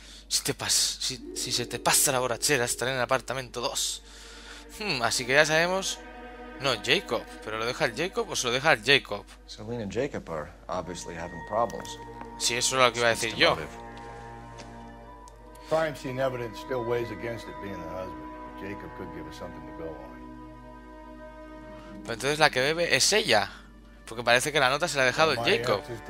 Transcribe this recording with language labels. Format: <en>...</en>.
<es>Si te si se te pasa la borrachera, estaré en el apartamento 2. Así que ya sabemos. No, Jacob. ¿Pero lo deja el Jacob o se lo deja el Jacob?</es> <en>Selena</en> <es>y</es> <en>Jacob are obviously having problems.</en> <es>Sí, eso es lo que iba a decir yo.</es> <en>Crime scene evidence still weighs against it being the husband. Jacob could give us something to go on.</en> <es>Pero entonces la que bebe es ella. Porque parece que la nota se la ha dejado el Jacob.</es>